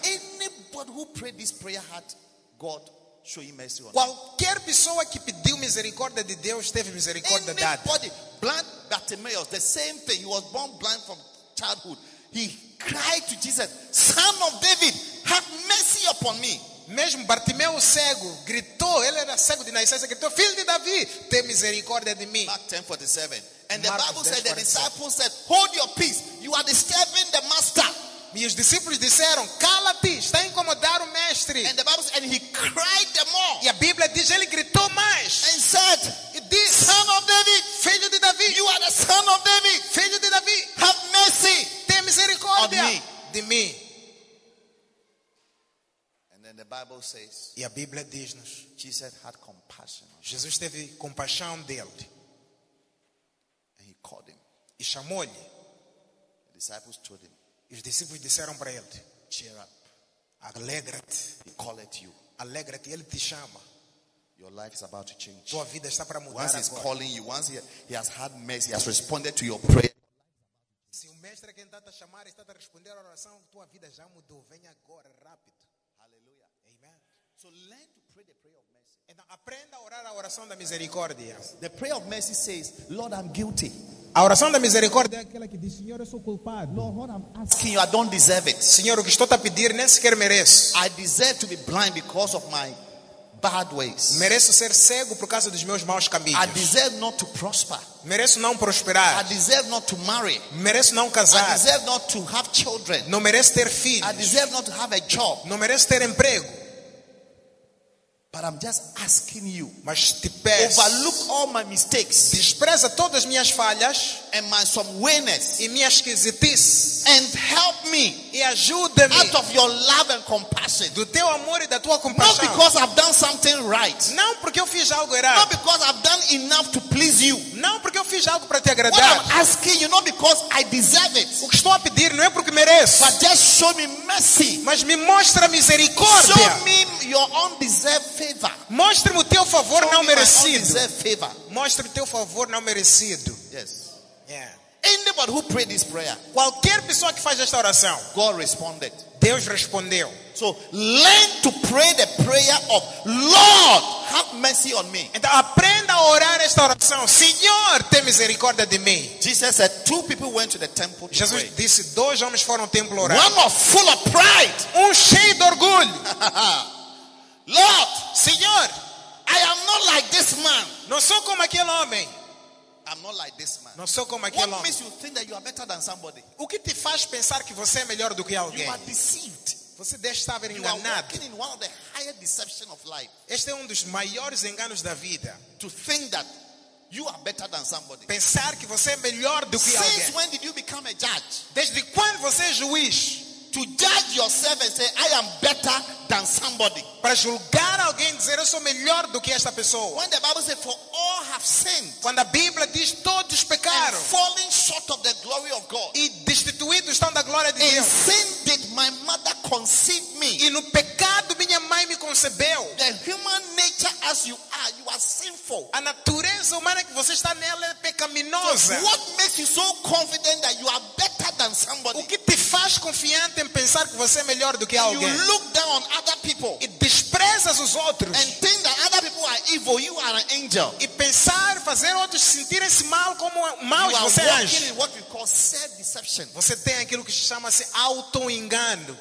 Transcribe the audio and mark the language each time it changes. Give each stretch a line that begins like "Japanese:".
English: anybody who prayed this prayer had God. Show him mercy on us.
Portuguese: Qualquer pessoa que pediu misericórdia de Deus teve misericórdia dada.
English: Anybody, blind Bartimaeus, the same thing. He was born blind from childhood. He cried to Jesus, Son of David, have mercy upon me.
Portuguese: Mesmo Bartimeu cego gritou. Ele era cego de nascença. Gritou, Filho de Davi, tem misericórdia de mim.
English: Mark 10:47. And Marcos, the Bible said, the disciples said, Hold your peace. You are disturbing the master.
Portuguese: E os discípulos disseram, cala-te, está a incomodar o mestre.
English: And the Bible says, and he cried the more.
Portuguese: E a Bíblia diz, ele gritou mais.
English: And said,
Portuguese: e disse,
English: Son of David,
Portuguese: filho de Davi,
English: you are the Son of David,
Portuguese: filho de Davi,
English: have mercy,
Portuguese: tem misericórdia de mim.
English: And then the Bible says,
Portuguese: e a Bíblia diz-nos,
English: Jesus had compassion.
Portuguese: Jesus teve compaixão dele.
English: And he called him.
Portuguese: E chamou-lhe.
English: The disciples told him.
Portuguese: Os discípulos disseram para ele:
English: cheer up.
Portuguese: Alegra-te.
English: He called you.
Portuguese: Alegra-te, ele te chama.
English: Your life is about to change.
Portuguese: Tua vida está para mudar.
English: Once he's
Portuguese: agora.
English: Calling you, once he has had mercy, he has responded to your prayer.
Portuguese: Se o mestre que está a chamar está a responder a oração, tua vida já mudou. Venha agora, rápido. Hallelujah. Amen.
English: So learn to pray the prayer of mercy.
Portuguese: Então, aprenda a orar a oração da misericórdia.
English: The prayer of mercy says, Lord, I'm guilty.
Portuguese: A oração da misericórdia é aquela que diz: Senhor, eu sou culpado.
English: Lord, what I'm asking, I don't deserve it.
Portuguese: Senhor, o que estou a pedir nem sequer mereço.
English: I deserve to be blind because of my bad ways.
Portuguese: Mereço ser cego por causa dos meus maus caminhos.
English: I deserve not to prosper.
Portuguese: Mereço não prosperar.
English: I deserve not to marry.
Portuguese: Mereço não casar.
English: I deserve not to have children.
Portuguese: Não mereço ter filhos.
English: I deserve not to have a job.
Portuguese: Não mereço ter emprego.
English: But I'm just asking you.
Portuguese: Mas te peço.
English: Overlook all my mistakes.
Portuguese: Despreza todas as minhas falhas.
English: And my some weakness.
Portuguese: E minhas esquisitices.
English: And help me.
Portuguese: E ajuda-me.
English: Out of your love and compassion.
Portuguese: Do teu amor e da tua compaixão.
English: Not because I've done something right.
Portuguese: Não porque eu fiz algo errado.
English: Not because I've done enough to please you.
Portuguese: Não porque eu fiz algo para te agradar.
English: What I'm asking you, not because I deserve it.
Portuguese: O que estou a pedir não é porque mereço.
English: But just show me mercy.
Portuguese: Mas me mostra misericórdia.
English: Show me your undeserved favor.
Portuguese: Mostre-me o teu favor
English: show
Portuguese: não
English: me
Portuguese: merecido.
English: Undeserved favor.
Portuguese: Mostre-me o teu favor não merecido.
English: Yes. Yeah. Anybody who prayed this prayer,
Portuguese: qualquer pessoa que faz esta oração,
English: God responded.
Portuguese: Deus respondeu.
English: So learn to pray the prayer of Lord, have mercy on me.
Portuguese: Então aprenda a orar esta oração. Senhor, tem misericórdia de mim.
English: Jesus said two people went to the temple to
Portuguese: Jesus
English: pray.
Portuguese: Disse dois homens foram ao templo orar.
English: One was full of pride,
Portuguese: um cheio de orgulho.
English: Lord,
Portuguese: Senhor,
English: I am not like this man.
Portuguese: Não sou como aquele homem.
English: I'm not like this man.
Portuguese: Não sou como aquele homem.
English: What makes you think that you are better than somebody?
Portuguese: O que te faz pensar que você é melhor do que alguém?
English: You are deceived.
Portuguese: Você deve estar enganado.
English: You are walking in one of the higher deception of life.
Portuguese: Este é dos maiores enganos da vida.
English: To think that you are better than somebody.
Portuguese: Pensar que você é melhor do que
English: since
Portuguese: alguém.
English: Since when did you become a judge?
Portuguese: Desde quando você é juiz?
English: To judge yourself and say I am better than somebody.
Portuguese: Para julgar alguém dizer eu sou melhor do que esta pessoa.
English: When the Bible says for all have sinned.
Portuguese: Quando a Bíblia diz todos pecaram.
English: And falling short of the glory of God.
Portuguese: E destituídos estão da glória de
English: and
Portuguese: Deus.
English: In sin did my mother conceive me.
Portuguese: E no pecado minha mãe me concebeu.
English: The human nature as you are sinful.
Portuguese: A natureza humana que você está nela é pecaminosa.
English: So what makes you so confident that you are better than somebody?
Portuguese: O que te faz confiar em pensar que você é melhor do que
English: and
Portuguese: alguém.
English: You look down on other people.
Portuguese: E desprezas os outros.
English: And think that other people are evil, you are an angel.
Portuguese: E pensar fazer outros sentirem-se mal como mal
English: you
Portuguese: você
English: are walking in what we call self-deception.
Portuguese: Você tem aquilo que chama-se auto-engano.